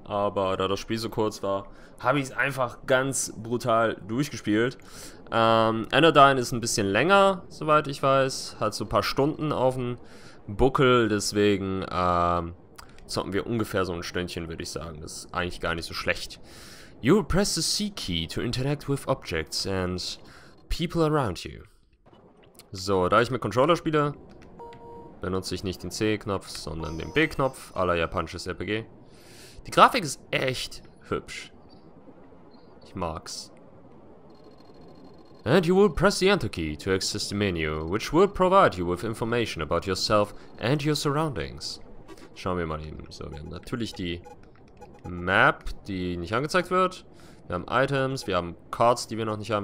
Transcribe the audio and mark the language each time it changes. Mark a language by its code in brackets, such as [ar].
[de] Aber da das Spiel so kurz war, habe ich es einfach ganz brutal durchgespielt. Anodyne ist ein bisschen länger, soweit ich weiß. Hat so ein paar Stunden auf dem Buckel, deswegen zocken wir ungefähr so ein Stündchen, würde ich sagen. Das ist eigentlich gar nicht so schlecht. [en] You press the C key to interact with objects and people around you. [de] So, da ich mit Controller spiele, benutze ich nicht den C-Knopf, sondern den B-Knopf, à la japanisches RPG. Die Grafik ist echt hübsch. Ich mag's. [en] And you will press the Enter key to access the menu, which will provide you with information about yourself and your surroundings. [de] Schauen wir mal eben. So, wir haben natürlich die Map, die nicht angezeigt wird. Wir haben Items, wir haben Cards, die wir noch nicht haben.